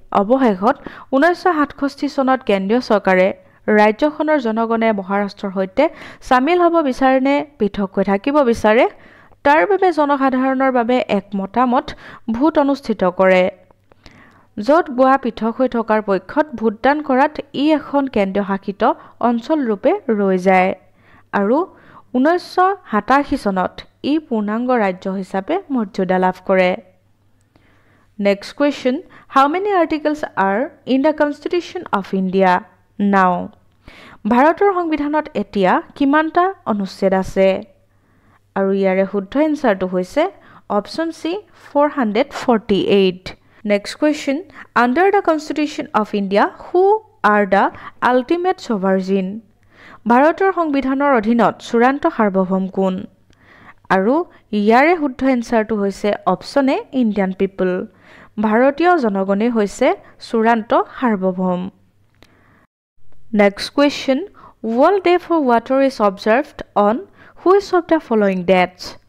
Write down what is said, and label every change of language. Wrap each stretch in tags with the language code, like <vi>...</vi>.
<as>অৱশেষত 1967 চনত কেন্দ্ৰীয় চৰকাৰে ৰাজ্যখনৰ জনগণে মহাৰাষ্ট্ৰৰ সৈতে চামিল হ'ব বিচাৰেনে পৃথককৈ থাকিব বিচাৰে তাৰ বাবে জনসাধাৰণৰ বাবে এক মতামত ভোট অনুষ্ঠিত কৰে, য'ত গোৱা পৃথক হৈ থকাৰ পক্ষত ভোটদান কৰাত ই এখন কেন্দ্ৰীয়শাসিত অঞ্চলৰূপে ৰৈ যায় আৰু 1987 চনত ই পূৰ্ণাংগ ৰাজ্য হিচাপে মৰ্যাদা লাভ কৰে।</as> <en>Next question, how many articles are in the Constitution of India now?</en> <as>ভাৰতৰ সংবিধানত এতিয়া কিমানটা অনুচ্ছেদ আছে? আৰু ইয়াৰে শুদ্ধ এনচাৰটো হৈছে option C, 448।</as> <en>Next question, under the Constitution of India, who are the ultimate sovereign?</en> <as>ভাৰতৰ সংবিধানৰ অধীনত চূড়ান্ত সাৰ্বভৌম কোন? আৰু ইয়াৰে শুদ্ধ এনচাৰটো হৈছে অপশ্যন এ,</as> <en>Indian people.</en> <as>ভাৰতীয় জনগণেই হৈছে চূড়ান্ত সাৰ্বভৌম।</as> <en>Next question, world day for water is observed on which of the following dates?</en>